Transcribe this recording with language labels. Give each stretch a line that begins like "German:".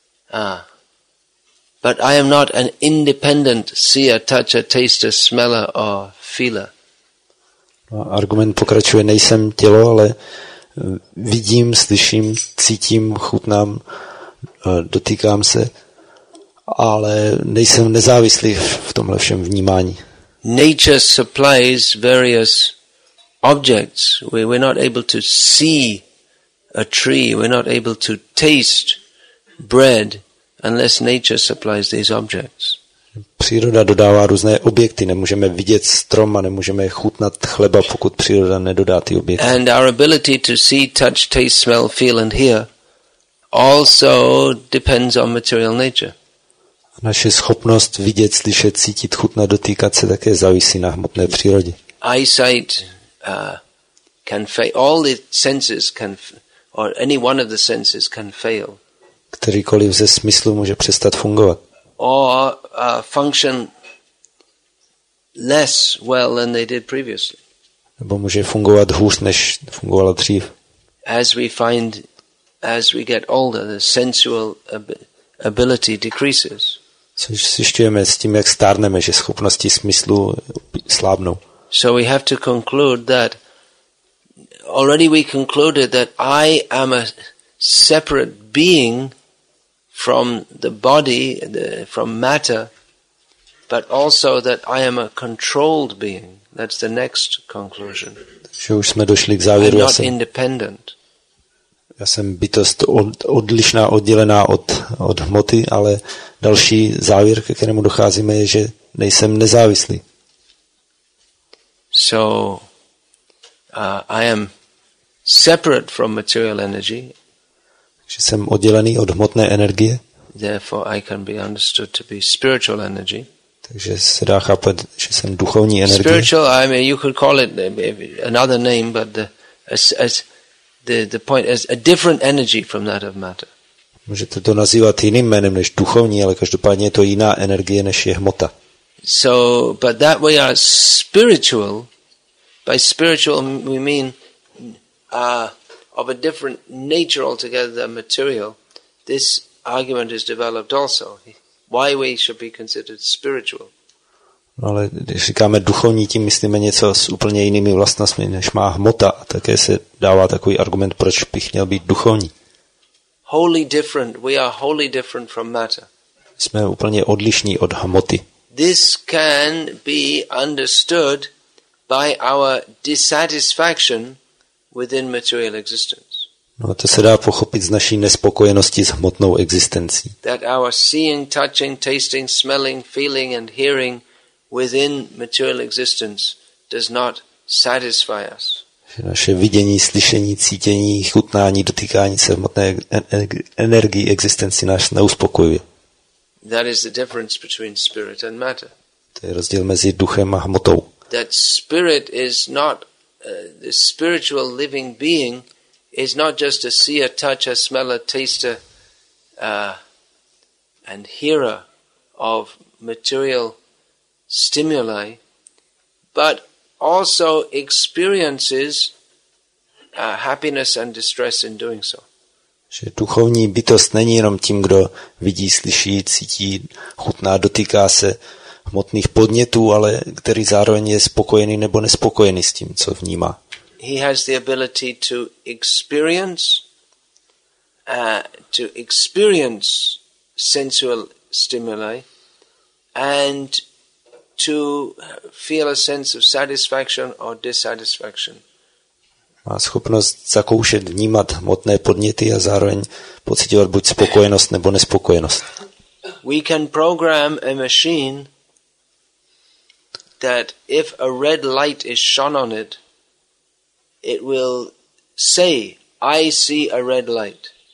English: But I am not an independent seer, toucher, taster, smeller, or feeler.
Czech: Argument pokračuje. Nejsem tělo, ale vidím, slyším, cítím, chutnám, dotýkám se, ale nejsem nezávislý v tomhle všem vnímání.
English: Nature supplies various objects. We're not able to see a tree, we're not able to taste bread unless nature supplies these objects.
Czech: Příroda dodává různé objekty, nemůžeme vidět strom a nemůžeme chutnat chleba, pokud příroda nedodá ty objekty.
English: And our ability to see, touch, taste, smell, feel and hear also depends on material nature.
Czech: Naše schopnost vidět, slyšet, cítit, chutnat, dotýkat se také závisí na hmotné přírodě.
English: Eyesight can fail, all the senses can or any one of the senses can fail.
Czech: Kterýkoliv ze smyslů může přestat fungovat.
English: Or function less well than they did previously.
Czech: Nebo může fungovat hůř, než fungovala dřív.
English: As we find, as we get older, the sensual ability decreases.
Czech: Což zjišťujeme s tím, jak stárneme, že schopnosti smyslu slábnou.
English: So we have to conclude that already we concluded that I am a separate being from the body, from matter, but also that I am a controlled being. That's the next conclusion.
Czech: Že už jsme došli k závěru.
English: I'm not independent.
Czech: Já jsem bytost odlišná, oddělená od hmoty, ale další závěr, ke kterému docházíme, je, že nejsem nezávislý.
English: So, I am separate from material energy.
Czech: Že jsem oddělený od hmotné energie.
English: Therefore I can be understood to be spiritual energy.
Czech: Takže se dá chápat, že jsem duchovní energie.
English: Spiritual, I mean, you could call it another name, but the point is a different energy from that of matter.
Czech: Můžete to nazývat jiným jménem než duchovní, ale každopádně je to jiná energie než je hmota.
English: So, but that we are spiritual. By spiritual we mean of a different nature altogether than material. This argument is developed also. Why we should be considered spiritual.
Czech: No, ale když říkáme duchovní, tím myslíme něco s úplně jinými vlastnostmi, než má hmota. A také se dává takový argument, proč bych měl být duchovní.
English: Wholly different. We are wholly different from matter.
Czech: Jsme úplně odlišní od hmoty.
English: This can be understood by our dissatisfaction within material existence.
Czech: No, to se dá pochopit z naší nespokojenosti s hmotnou existencí.
English: That our seeing, touching, tasting, smelling, feeling and hearing within material existence does not satisfy us.
Czech: Naše vidění, slyšení, cítění, chutnání, dotýkání se hmotné energii existenci nás neuspokojuje.
English: That is the difference between spirit and matter.
Czech: To je rozdíl mezi duchem a hmotou.
English: That spirit is not the spiritual living being is not just a seer, toucher, smeller, taster and hearer of material stimuli, but also experiences happiness and distress in doing so.
Czech: Že duchovní bytost není jenom tím, kdo vidí, slyší, cítí, chutná, dotýká se hmotných podnětů, ale který zároveň je spokojený nebo nespokojený s tím, co vnímá.
English: He has the ability to experience sensual stimuli and to feel a sense of satisfaction or dissatisfaction.
Czech: Má schopnost zakoušet, vnímat hmotné podněty a zároveň pocitovat buď spokojenost nebo nespokojenost.
English: We can program a machine that if a red light is shone on it, it will say, I see a red light.